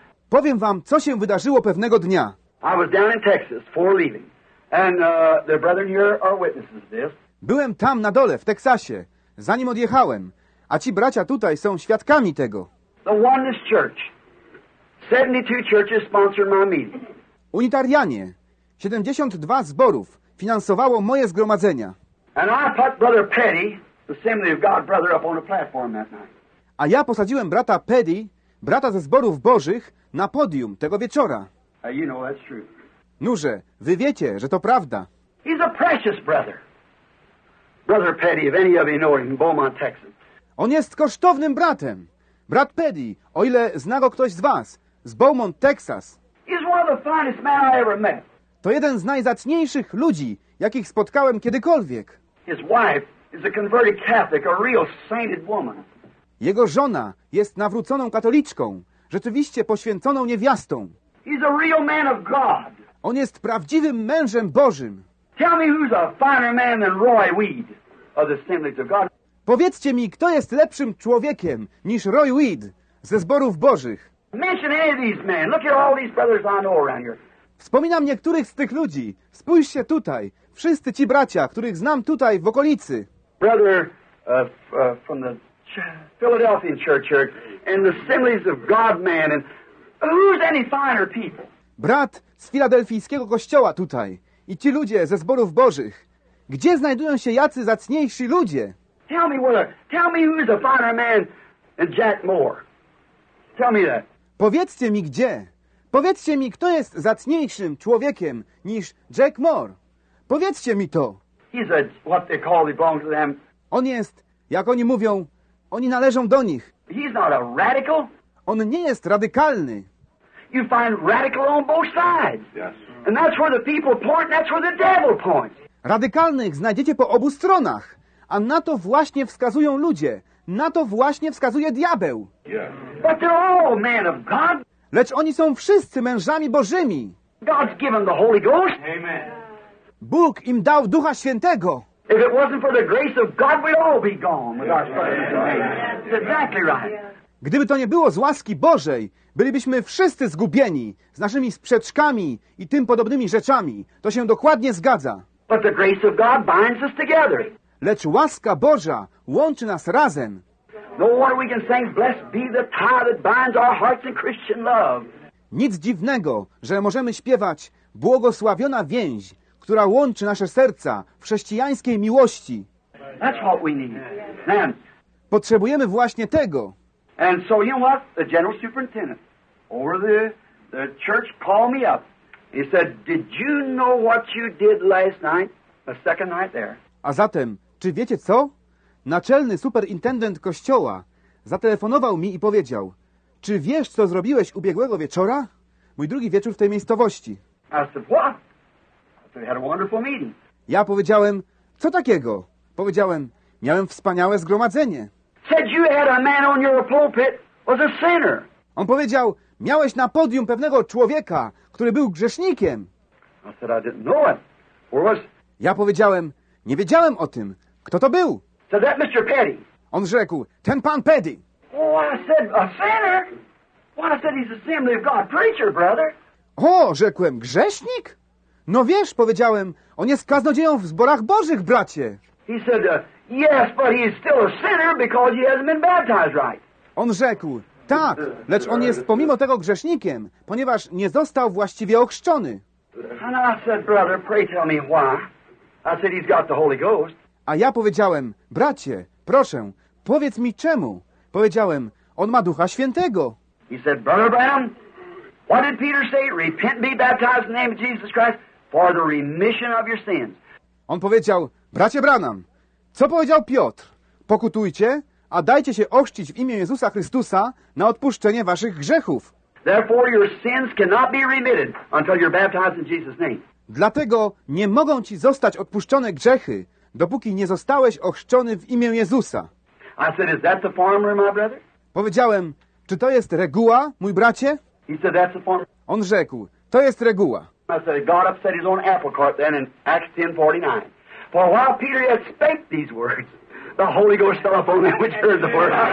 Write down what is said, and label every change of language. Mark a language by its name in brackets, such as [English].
[Polish] Powiem wam, co się wydarzyło pewnego dnia. [English] I was down in Texas for leaving. And the brethren here are witnesses of this. [Polish] Byłem tam na dole, w Teksasie, zanim odjechałem. A ci bracia tutaj są świadkami tego. [English] The Oneness Church. 72 churches sponsored my meeting. [Polish] Unitarianie. 72 zborów finansowało moje zgromadzenia. [English] And I put Brother Petty, the Assembly of God brother, up on a platform that night. [Polish] A ja posadziłem brata Petty, brata ze zborów bożych, na podium tego wieczora. [English] You know that's true. [Polish] Noże, wy wiecie, że to prawda. [English] He's a precious brother. Brother Petty, if any of you know him, Beaumont, Texas. [Polish] On jest kosztownym bratem. Brat Petty, o ile zna go ktoś z was, z Beaumont, Texas. [English] He's one of the finest men I ever met. [Polish] To jeden z najzacniejszych ludzi, jakich spotkałem kiedykolwiek. [English] His wife is a converted Catholic, a real sainted woman. [Polish] Jego żona jest nawróconą katoliczką, rzeczywiście poświęconą niewiastą. [English] He's a real man of God. [Polish] On jest prawdziwym mężem Bożym. [English] Tell me who's a finer man than Roy Weed of the Assemblies of God. [Polish] Powiedzcie mi, kto jest lepszym człowiekiem niż Roy Weed ze zborów Bożych. [English] Mention any of these men. Look at all these brothers I know around here. [Polish] Wspominam niektórych z tych ludzi. Spójrzcie tutaj. Wszyscy ci bracia, których znam tutaj w okolicy. [English] Brother from the Philadelphia Church here and the Assemblies of God man and who's any finer people? [Polish] Brat z filadelfijskiego kościoła tutaj i ci ludzie ze zborów Bożych. Gdzie znajdują się jacy zacniejsi ludzie? [English] Tell me who's a finer man than Jack Moore. Tell me that. [Polish] Powiedzcie mi gdzie. Powiedzcie mi, kto jest zacniejszym człowiekiem niż Jack Moore. Powiedzcie mi to. [English] He's a what they call he belongs to them. [Polish] On jest, jak oni mówią, oni należą do nich. [English] He's not a radical. [Polish] On nie jest radykalny. [English] You find radical on both sides. Yes. And that's where the people point, that's where the devil points. [Polish] Radykalnych znajdziecie po obu stronach. A na to właśnie wskazują ludzie. Na to właśnie wskazuje diabeł. [English] Yes. But they're all men of God. [Polish] Lecz oni są wszyscy mężami Bożymi. [English] God's given the Holy Ghost. Amen. [Polish] Bóg im dał Ducha Świętego. [English] If it wasn't for the grace of God, we'd all be gone with our spirit. That's exactly right. [Polish] Gdyby to nie było z łaski Bożej, bylibyśmy wszyscy zgubieni z naszymi sprzeczkami i tym podobnymi rzeczami. To się dokładnie zgadza. [English] But the grace of God binds us together. [Polish] Lecz łaska Boża łączy nas razem. [English] No wonder we can sing, blessed be the tie that binds our hearts in Christian love. [Polish] Nic dziwnego, że możemy śpiewać błogosławiona więź, która łączy nasze serca w chrześcijańskiej miłości. [English] That's what we need. Then, [Polish] potrzebujemy właśnie tego. [English] And so you know what? The general superintendent over the church called me up. He said, did you know what you did last night, the second night there? [Polish] A zatem, czy wiecie co? Naczelny superintendent kościoła zatelefonował mi i powiedział, czy wiesz, co zrobiłeś ubiegłego wieczora? Mój drugi wieczór w tej miejscowości. [English] I said, what? We had a wonderful meeting. [Polish] Ja powiedziałem, co takiego? Powiedziałem, miałem wspaniałe zgromadzenie. [English] Said you had a man on your pulpit was a sinner. [Polish] On powiedział, miałeś na podium pewnego człowieka, który był grzesznikiem. [English] I said, I didn't know it. Where was... [Polish] Ja powiedziałem, nie wiedziałem o tym. Kto to był? [English] Said that Mr. Petty. [Polish] On rzekł, ten pan Petty. [English] Oh, I said, a sinner? Why, I said he's Assembly of God preacher, brother. [Polish] O, rzekłem, grzesznik? No wiesz, powiedziałem, on jest kaznodzieją w zborach Bożych, bracie. [English] He said, yes, but he is still a sinner because he hasn't been baptized right. [Polish] On rzekł, tak, lecz on jest pomimo tego grzesznikiem, ponieważ nie został właściwie ochrzczony. [English] And I said, brother, pray tell me why. I said, he's got the Holy Ghost. [Polish] A ja powiedziałem, bracie, proszę, powiedz mi czemu. Powiedziałem, on ma Ducha Świętego. [English] He said, brother Branham, what did Peter say? Repent, be baptized in the name of Jesus Christ for the remission of your sins. [Polish] On powiedział, bracie Branham, co powiedział Piotr? Pokutujcie, a dajcie się ochrzcić w imię Jezusa Chrystusa na odpuszczenie waszych grzechów. [English] Therefore your sins cannot be remitted until you're baptized in Jesus' name. [Polish] Dlatego nie mogą ci zostać odpuszczone grzechy, dopóki nie zostałeś ochrzczony w imię Jezusa. [English] I said, is that the formula, my brother? [Polish] Powiedziałem, czy to jest reguła, mój bracie? [English] He said, that's the formula. [Polish] On rzekł, to jest reguła. [English] I said, God upset his own apple cart then in Acts 10:49. For while Peter had spake these words, the Holy Ghost fell upon them which heard the word.